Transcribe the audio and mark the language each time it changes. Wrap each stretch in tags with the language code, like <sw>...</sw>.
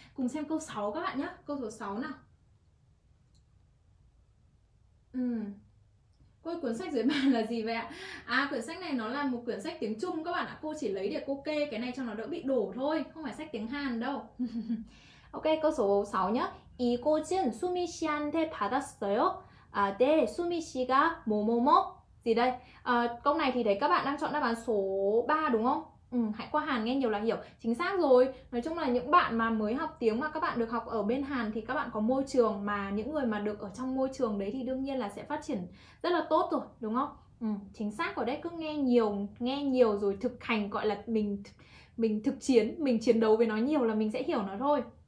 <vi>Cùng xem câu 6 các bạn nhé. Câu số 6 nào. Cô ơi, cuốn sách dưới bàn là gì vậy ạ? À, cuốn sách này nó là một cuốn sách tiếng Trung các bạn ạ. Cô chỉ lấy để cô kê cái này cho nó đỡ bị đổ thôi, không phải sách tiếng Hàn đâu. Ok, câu số 6 nhá.</vi> <ko>이 꽃은 수미 씨한테 받았어요. 아, 네, 수미 씨가 뭐뭐뭐</ko> <vi>gì đây? À, câu này thì đấy, các bạn đang chọn đáp án số 3 đúng không? Ừ, hãy qua Hàn nghe nhiều là hiểu. Chính xác rồi. Nói chung là những bạn mà mới học tiếng mà các bạn được học ở bên Hàn thì các bạn có môi trường, mà những người mà được ở trong môi trường đấy thì đương nhiên là sẽ phát triển rất là tốt rồi, đúng không? Ừ, chính xác ở đây, cứ nghe nhiều rồi thực hành, gọi là mình thực chiến, mình chiến đấu với nó nhiều là mình sẽ hiểu nó thôi.</vi>